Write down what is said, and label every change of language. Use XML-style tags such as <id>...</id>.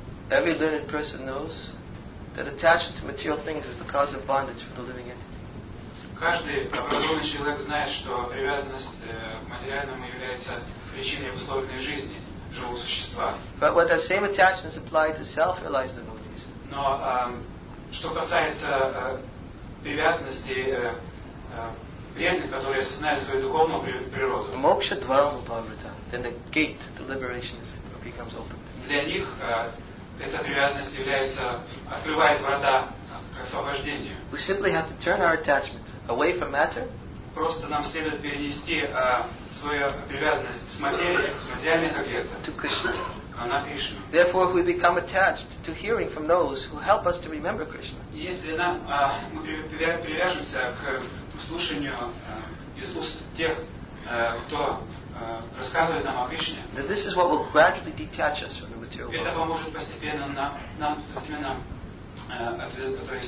<en>Every learned person knows that attachment to material things is the cause of bondage for the living entity.</en> <ru>Каждый образованный человек знает, что привязанность к материальному является причиной условной жизни живого существа.</ru> <en>But what that same attachment is applied to self-realized devotees.</en> <ru>Но что касается привязанности преданных, которые осознают свою духовную природу.</ru> <sa>Moksha dvaram upavrita,</sa> <en>then the gate to liberation becomes open.</en> <ru>Для них эта привязанность является открывает врата к освобождению.</ru> <en>We simply have to turn our attachment away from matter.</en> <ru>Просто нам следует перенести свою привязанность с материальных объектов.</ru> <en>To Krishna.</en> <ru>На Кришну.</ru> <en>Therefore, if we become attached to hearing from those who help us to remember Krishna.</en> <ru>Если нам мы привяжемся к слушанию из уст тех, кто рассказывает нам о Кришне.</ru> <en>Then this is what will gradually detach us from the material world.</en> <ru>Это поможет постепенно нам постепенно отвязаться.</ru>